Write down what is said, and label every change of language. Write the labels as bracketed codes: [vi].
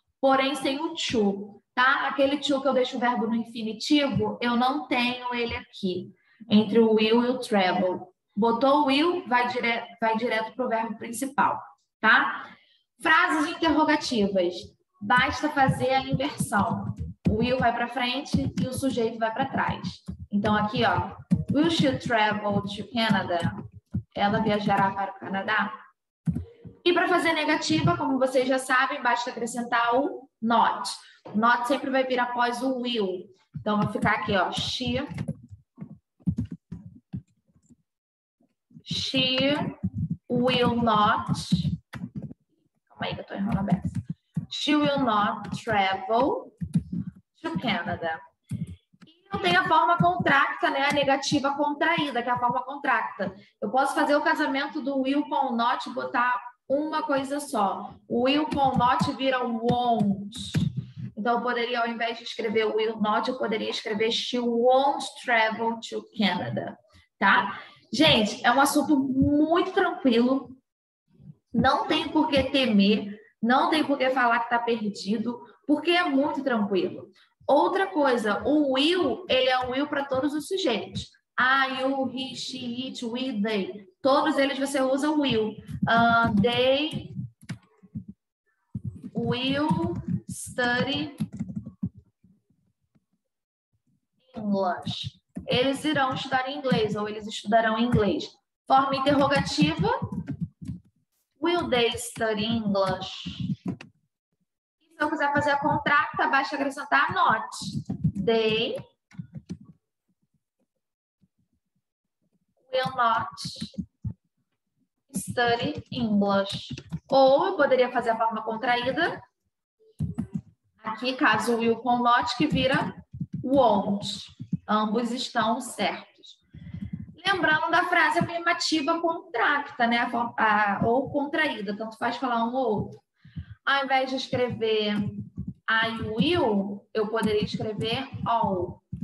[pt] Porém, sem o to, tá? Aquele to que eu deixo o verbo no infinitivo, eu não tenho ele aqui, entre o will e o travel. Botou o will, vai direto pro verbo principal, tá? Frases interrogativas. Basta fazer a inversão. O will vai para frente e o sujeito vai para trás. Então, aqui, ó. [en] Will she travel to Canada? [pt] Ela viajará para o Canadá? E para fazer negativa, como vocês já sabem, basta acrescentar o not. O not sempre vai vir após o will. Então, vai ficar aqui, ó. [en] She will not. [pt] Calma aí que eu tô errando a beça. [en] She will not travel to Canada. [pt] E eu tenho a forma contracta, né? A negativa contraída, que é a forma contracta. Eu posso fazer o casamento do will com o not e botar uma coisa só. O will com o not vira o won't. Então, eu poderia, ao invés de escrever o will not, eu poderia escrever [en] she won't travel to Canada, [pt] tá? Gente, é um assunto muito tranquilo. Não tem por que temer. Não tem por que falar que está perdido, porque é muito tranquilo. Outra coisa, o will, ele é um will para todos os sujeitos. [en] I, you, he, she, it, we, they. [pt] Todos eles você usa o will. [en] They will study English. [pt] Eles irão estudar inglês, ou eles estudarão inglês. Forma interrogativa. [en] Will they study English? [pt] Se eu quiser fazer a contracta, basta acrescentar not. [en] They will not study English. [pt] Ou eu poderia fazer a forma contraída. Aqui, caso will com not, que vira won't. Ambos estão certos. Lembrando da frase afirmativa contracta, né? Ou contraída, tanto faz falar um ou outro. Ao invés de escrever I will, eu poderia escrever all.